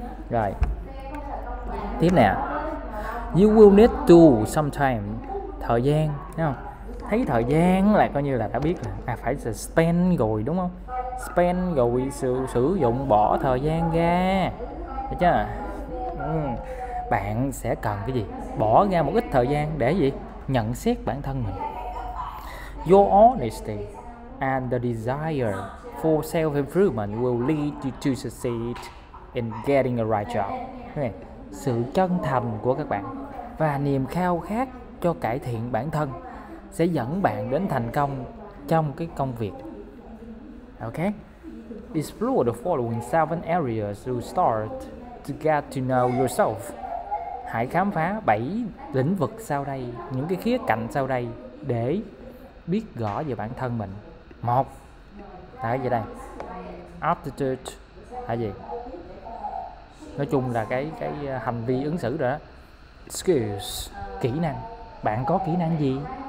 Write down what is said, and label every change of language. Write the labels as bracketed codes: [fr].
[vi] Rồi tiếp nè. [en] You will need to sometime, [vi] thời gian, thấy không? Thấy thời gian là coi như là đã biết là phải spend rồi, đúng không? Spend rồi sử dụng, bỏ thời gian ra. Được chưa? Bạn sẽ cần cái gì? Bỏ ra một ít thời gian để gì? Nhận xét bản thân mình. [en] Your honesty and the desire for self-improvement will lead you to succeed in getting a right job. Okay. [vi] Sự chân thành của các bạn và niềm khao khát cho cải thiện bản thân sẽ dẫn bạn đến thành công trong cái công việc. [en] Ok. Explore the following seven areas to start to get to know yourself. [vi] Hãy khám phá 7 lĩnh vực sau đây, những cái khía cạnh sau đây để biết rõ về bản thân mình. Một là cái gì đây? Aptitude là gì? Nói chung là cái hành vi ứng xử rồi đó. Skills, kỹ năng. Bạn có kỹ năng gì?